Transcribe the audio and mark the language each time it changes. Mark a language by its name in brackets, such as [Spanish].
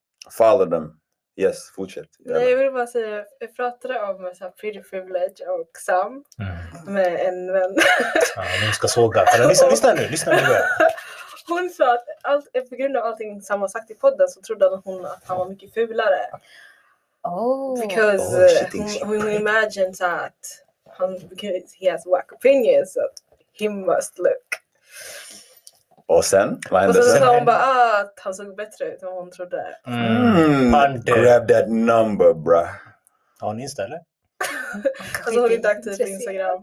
[English] Follow them. Yes, [Swedish] fortsätt. Nej, jag vill bara säga, jag pratade om så här, pretty privilege och Sam med en vän. Ja, nu ska såga. Lyssna nu. Hon sa att allt, på grund av allting Sam har sagt i podden så trodde hon att han var mycket fulare. [English] Because hon imagines att han, because he has whack opinions, that he must look. [Swedish] Och sen? Och så sa hon bara att han såg bättre ut än hon trodde. [English] Grab that number, bra. [Swedish] Har ni istället? Alltså hon är inte aktiv på Instagram.